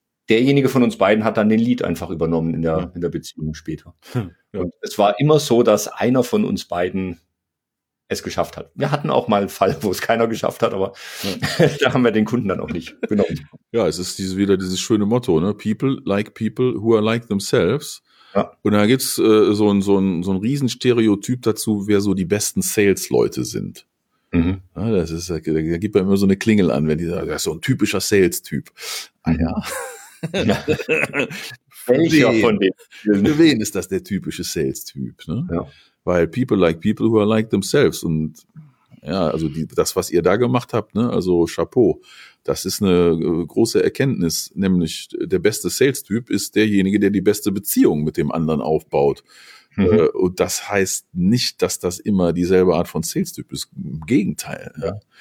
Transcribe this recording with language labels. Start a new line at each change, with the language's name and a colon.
German: Derjenige von uns beiden hat dann den Lead einfach übernommen in der Beziehung später. Und es war immer so, dass einer von uns beiden es geschafft hat. Wir hatten auch mal einen Fall, wo es keiner geschafft hat, aber da haben wir den Kunden dann auch nicht genommen. Ja, es ist wieder dieses schöne Motto, ne?
English: People like people who are like themselves.
German: Ja. Und da gibt es so ein Riesenstereotyp dazu, wer so die besten Sales-Leute sind. Mhm. Ja, das ist, da gibt man immer so eine Klingel an, wenn die sagen, das ist so ein typischer Sales-Typ. Ah ja. Welcher von denen? Für wen ist das der typische Sales-Typ? Ne? Ja. Weil
English: people like people who are like themselves.
German: Und ja, also das, was ihr da gemacht habt, ne, also Chapeau, das ist eine große Erkenntnis. Nämlich der beste Sales-Typ ist derjenige, der die beste Beziehung mit dem anderen aufbaut. Mhm. Und das heißt nicht, dass das immer dieselbe Art von Sales-Typ ist. Im Gegenteil. Ja.